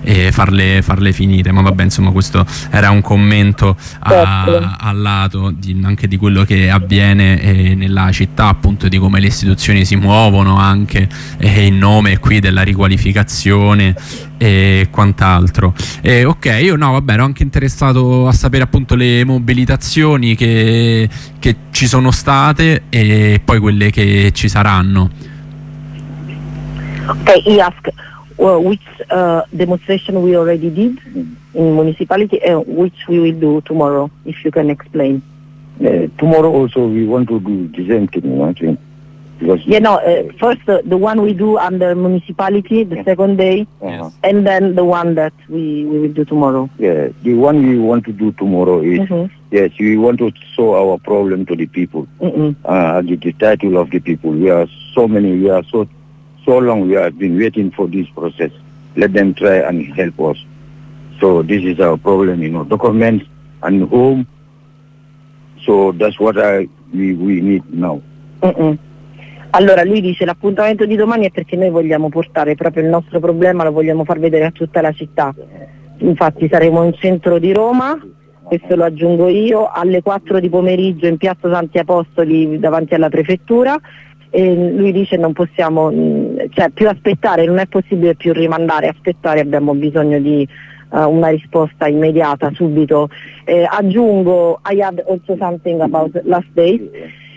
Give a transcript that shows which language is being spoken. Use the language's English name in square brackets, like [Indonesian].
[Italian] farle finire, ma vabbè, insomma, questo era un commento al lato anche di quello che avviene nella città, appunto, di come le istituzioni si muovono anche in nome qui della riqualificazione e quant'altro. Ok, io no, vabbè, ero anche interessato a sapere appunto le mobilitazioni che ci sono state e poi quelle che ci saranno. Ok, io [English] ask. Well, which demonstration we already did in municipality and which we will do tomorrow, if you can explain. Tomorrow also we want to do the same thing, aren't we? Yeah, no, first the one we do under municipality, the second day, yes, and then the one that we will do tomorrow. Yeah, the one we want to do tomorrow is, mm-hmm, yes, we want to show our problem to the people. Mm-hmm. The title of the people, so long we have been waiting for this process. Let them try and help us. So this is our problem, you know, documents and home. So that's what we need now. Mm-mm. [Italian] Allora lui dice l'appuntamento di domani è perché noi vogliamo portare proprio il nostro problema, lo vogliamo far vedere a tutta la città. Infatti saremo in centro di Roma, questo lo aggiungo io, alle 4 di pomeriggio in piazza Santi Apostoli davanti alla prefettura. E lui dice non possiamo, cioè più aspettare, non è possibile più rimandare, aspettare, abbiamo bisogno di una risposta immediata, subito. Aggiungo, [English] I had also something about last day.